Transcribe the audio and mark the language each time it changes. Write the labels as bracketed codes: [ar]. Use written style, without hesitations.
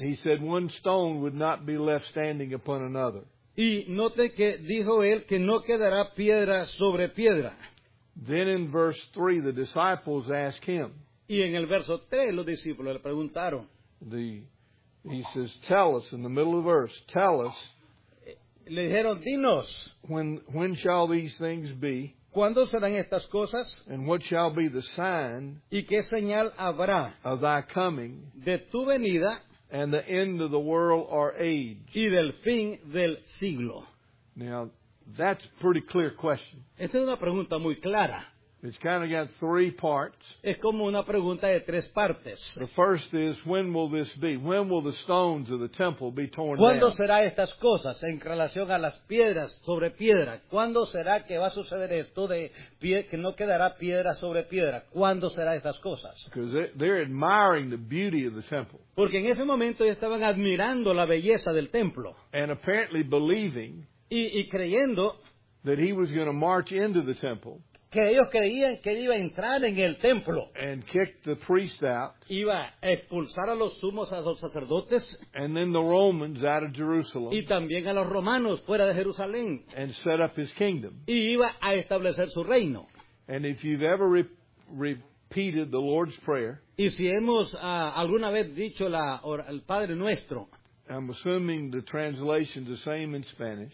[en] He said, one stone would not be left standing upon another. [es] Y note que dijo él que no quedará piedra sobre piedra. [en] Then in verse 3, the disciples asked him. [es] Y en el verso 3, los discípulos le preguntaron. [en] He says, tell us, in the middle of the verse, tell us. [es] Le dijeron, dinos. [en] When shall these things be? [es] ¿Cuándo serán estas cosas? [en] And what shall be the sign, [es] ¿y qué señal habrá, [en] of thy coming, [es] de tu venida, [en] and the end of the world or age, [es] y del fin del siglo? [en] Now, that's a pretty clear question. [es] Esta es una pregunta muy clara. [en] It's kind of got three parts. [es] Es como una pregunta de tres partes. [en] The first is, when will this be? When will the stones of the temple be torn down? [es] ¿Cuándo será estas cosas en relación a las piedras sobre piedra? ¿Cuándo será que va a suceder esto de que no quedará piedra sobre piedra? ¿Cuándo será estas cosas? [en] Because they're admiring the beauty of the temple. [es] Porque en ese momento ya estaban admirando la belleza del templo. [en] And apparently believing, [es] y creyendo, [en] that he was going to march into the temple, [es] que ellos creían que iba a entrar en el templo, [en] and kick the priest out, [es] iba a expulsar a los sumos a los sacerdotes, [en] and then the Romans out of Jerusalem, [es] y también a los romanos fuera de Jerusalén, [en] and set up his kingdom, [es] y iba a establecer su reino. [en] And if you've ever repeated the Lord's Prayer, [es] y si hemos alguna vez dicho el Padre Nuestro, [en] I'm assuming the translation the same in Spanish,